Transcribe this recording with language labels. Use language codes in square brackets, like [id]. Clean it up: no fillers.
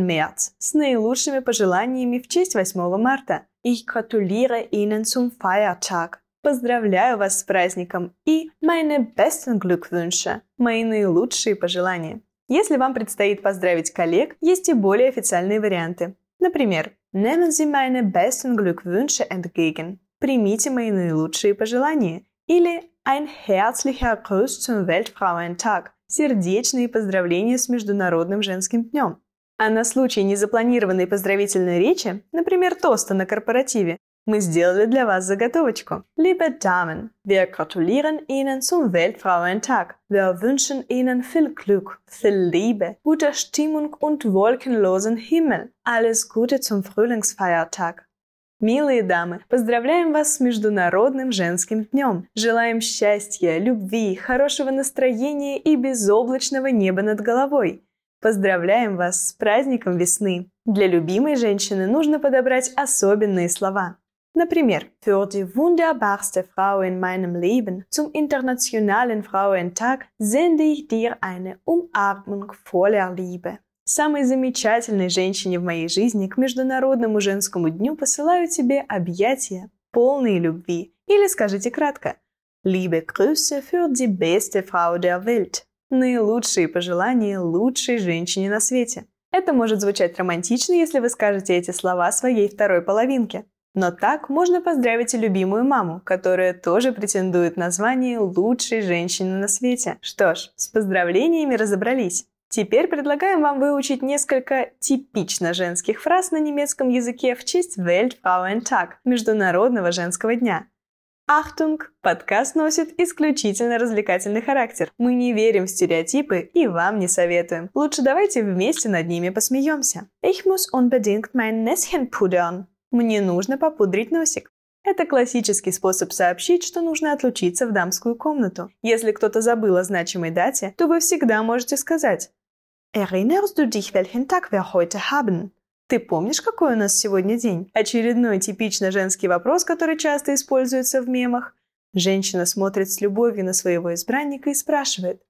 [ru] März» с наилучшими пожеланиями в честь 8 марта. [de] «Ich gratuliere Ihnen zum Feiertag» [ru] – «Поздравляю вас с праздником» и [de] «Meine besten Glückwünsche» [ru] – «Мои наилучшие пожелания». Если вам предстоит поздравить коллег, есть и более официальные варианты. Например, [de] «Nehmen Sie meine besten Glückwünsche entgegen» – [ru] «Примите мои наилучшие пожелания». Или [de] «Ein herzlicher Gruß zum Weltfrauentag» [ru] – «Сердечные поздравления с Международным женским днем». А на случай незапланированной поздравительной речи, например, тоста на корпоративе, мы сделали для вас заготовочку. [de] Liebe Damen, wir gratulieren Ihnen zum Weltfrauentag. Wir wünschen Ihnen viel Glück, viel Liebe, gute Stimmung und wolkenlosen Himmel. Alles Gute zum Frühlingsfeiertag. [ru] Милые дамы, поздравляем вас с Международным женским днем. Желаем счастья, любви, хорошего настроения и безоблачного неба над головой. Поздравляем вас с праздником весны. Для любимой женщины нужно подобрать особенные слова. Например, [de] für die wunderbarste Frau in meinem Leben zum internationalen Frauentag sende ich dir eine Umarmung voller Liebe. [ru] Самой замечательной женщине в моей жизни к Международному женскому дню посылаю тебе объятия, полные любви. Или скажите кратко. [de] Liebe Grüße für die beste Frau der Welt. [ru] Наилучшие пожелания лучшей женщине на свете. Это может звучать романтично, если вы скажете эти слова своей второй половинке. Но так можно поздравить и любимую маму, которая тоже претендует на звание лучшей женщины на свете. Что ж, с поздравлениями разобрались. Теперь предлагаем вам выучить несколько типично женских фраз на немецком языке в честь Weltfrauentag, Международного женского дня. [de] Achtung! [ru] Подкаст носит исключительно развлекательный характер. Мы не верим в стереотипы и вам не советуем. Лучше давайте вместе над ними посмеемся. [de] Ich muss unbedingt mein Näschen pudern. [ru] Мне нужно попудрить носик. Это классический способ сообщить, что нужно отлучиться в дамскую комнату. Если кто-то забыл о значимой дате, то вы всегда можете сказать: [de] Erinnerst du dich, welchen Tag wir heute haben? [ru] Ты помнишь, какой у нас сегодня день? Очередной типично женский вопрос, который часто используется в мемах. Женщина смотрит с любовью на своего избранника и спрашивает: